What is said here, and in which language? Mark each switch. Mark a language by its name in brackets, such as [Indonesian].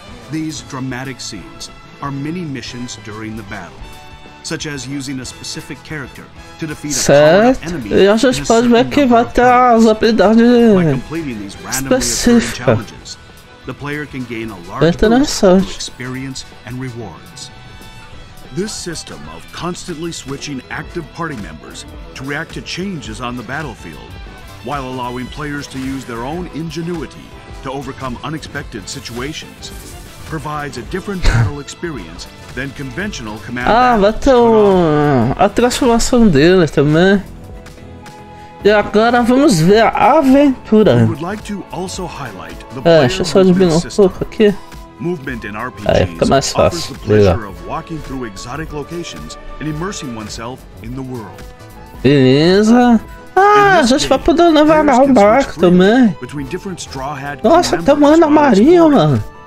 [English] These dramatic scenes are mini missions during the battle, such as using a specific character to defeat a enemy. [Portuguese] Certo. E a gente pode ver que vai ter as habilidades específicas. [English] The player can gain a large boost of experience and rewards. This system of constantly switching active party members to react to changes on the battlefield while allowing players to use their own ingenuity to overcome unexpected situations, provides a different battle experience than conventional command. [Portuguese] Ah, batom! A transformação dele também. E agora vamos ver a aventura. [English] We would like to also highlight the [Portuguese] deixa eu só diminuir um pouco aqui. [English] Movement in RPGs [Portuguese] fica mais fácil. [English] Offers the pleasure of walking through exotic locations and immersing oneself in the world. [Portuguese] Beleza. Ah, a gente vai poder navegar o barco também. Nossa, tem um anamarinho, mano.